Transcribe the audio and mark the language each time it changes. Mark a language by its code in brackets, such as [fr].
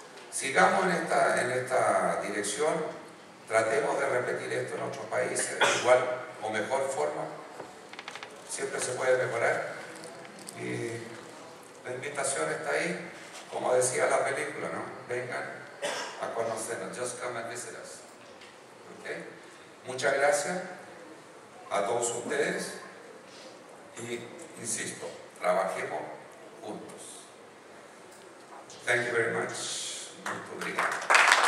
[es] Sigamos en esta dirección, tratemos de repetir esto en otros países de igual o mejor forma. Siempre se puede mejorar y la invitación está ahí, como decía la película, ¿no? Vengan a conocernos, [en] just come and visit us. ¿Okay? [es] Muchas gracias a todos ustedes y insisto, trabajemos juntos. [en] Thank you very much. [es] Muchas gracias.